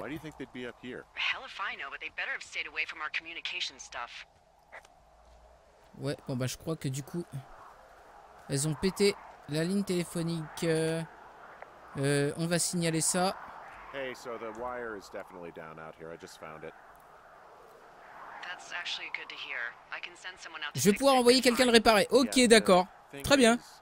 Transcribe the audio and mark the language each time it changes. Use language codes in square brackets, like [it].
[en] Why do you think they'd be up here? Hell if I know, but they better have stayed away from our communication stuff. [fr] Ouais, bon bah je crois que du coup elles ont pété la ligne téléphonique. On va signaler ça. [en] Hey, so the wire is definitely down out here. I just found it. That's actually good to hear. I can send someone out. [fr] Je vais pouvoir envoyer quelqu'un le réparer. Ok, d'accord. Très bien.